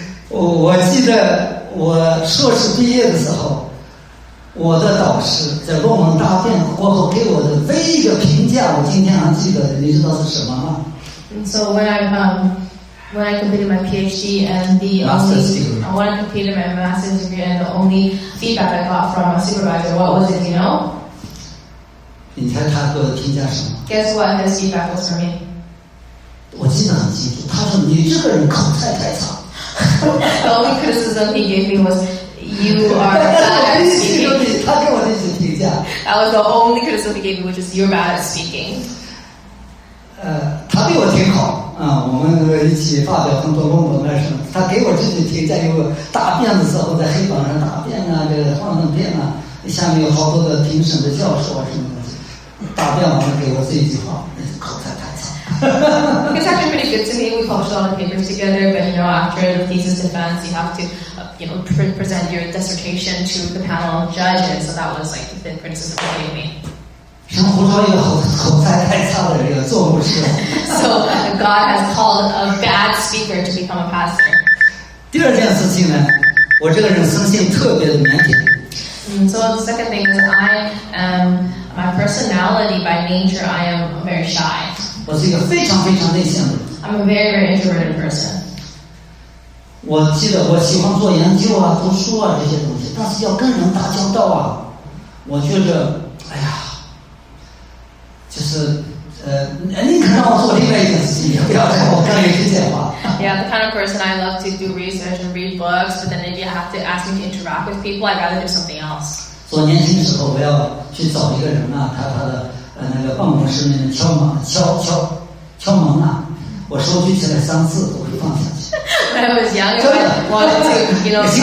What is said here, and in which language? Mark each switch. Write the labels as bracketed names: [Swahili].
[Chinese] 我记得我硕士毕业的时候，我的导师在论文答辩过后给我的唯一的评价，我今天还记得，你知道是什么吗？ [English] So when I completed my PhD and the when I completed my master's degree and the only feedback I got from a supervisor, what was it, you know? [Chinese] 你猜他给我的评价什么？ [English] Guess what his feedback was for me? [Chinese] 我记得很清楚，他说你这个人口才太差。 [English] The only criticism he gave me was, you are bad at speaking. [Chinese] 他给我的一些评价。 [English] That was the only criticism he gave me, which is, you're bad at speaking. [Chinese] 他对我挺好。我们一起发表很多论文啊什么。他给我这些评价，因为答辩的时候在黑板上答辩啊，这个幻灯片啊，下面有好多的评审的教授啊什么的。答辩完了给我这一句话，口才太差。 [English] It's actually pretty good to me. We published all the papers together, but you know, after the thesis defense, you have to, you know, present your dissertation to the panel judges. So that was like the criticism they gave me. [Chinese] 神呼召一个口才太差的人做牧师。 [English] So God has called a bad speaker to become a pastor. [Chinese] 第二件事情呢，我这个人生性特别的腼腆。 [English] So the second thing is I am my personality by nature I am very shy. [Chinese] 我是一个非常非常内向的。 [English] I'm a very very introverted person. [Chinese] 我记得我喜欢做研究啊、读书啊这些东西，但是要跟人打交道啊。我觉得哎呀，就是宁可让我做另外一件事情，不要让我干一些闲话。 [English] Yeah, the kind of person I love to do research and read books, but then if you have to ask me to interact with people, I'd rather do something else. [Chinese] 做年轻的时候，我要去找一个人啊，他的那个办公室里面敲门啊，我说句起来三次，我就放下去。 [English] When I was young, I wanted to, you know,